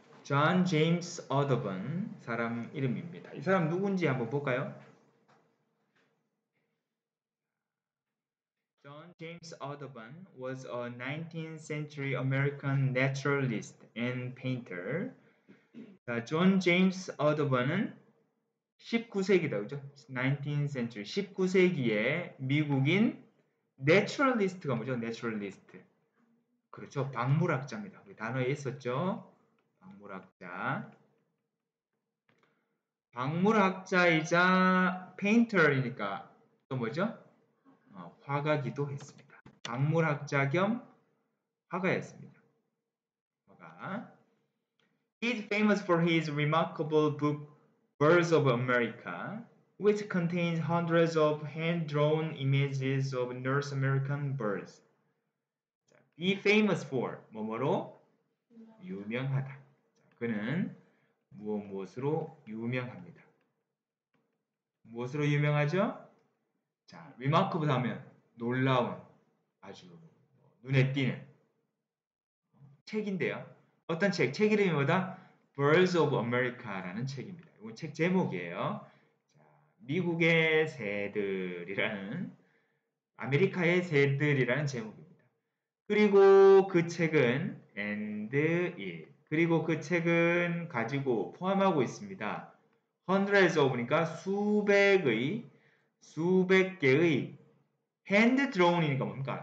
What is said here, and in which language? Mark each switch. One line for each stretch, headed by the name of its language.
Korean: 존 제임스 어더번 사람 이름입니다. 이 사람 누군지 한번 볼까요?
English: 존 제임스 어더번 was a 19th century American naturalist and painter.
Korean: 자, 존 제임스 어더번은 19세기다, 그죠?
English: 19th century,
Korean: 19세기에 미국인 naturalist가 뭐죠? naturalist. 그렇죠. 박물학자입니다. 우리 단어에 있었죠? 박물학자. 박물학자이자 페인터이니까 또 뭐죠? 화가기도 했습니다. 박물학자 겸 화가였습니다. 화가.
English: He's famous for his remarkable book Birds of America, which contains hundreds of hand-drawn images of North American birds. Be famous for
Korean: 뭐뭐로 유명하다. 그는 무엇무엇으로 유명합니다. 무엇으로 유명하죠? 자, remarkable 하면 놀라운, 아주 눈에 띄는 책인데요. 어떤 책? 책 이름이 뭐다? Birds of America라는 책입니다. 이건 책 제목이에요. 자, 미국의 새들이라는, 아메리카의 새들이라는 제목입니다. 그리고 그 책은
English: and it.
Korean: 그리고 그 책은 가지고 포함하고 있습니다.
English: Hundreds of,
Korean: 그러니까 수백의, 수백 개의
English: hand drawn
Korean: 이니까 뭡니까?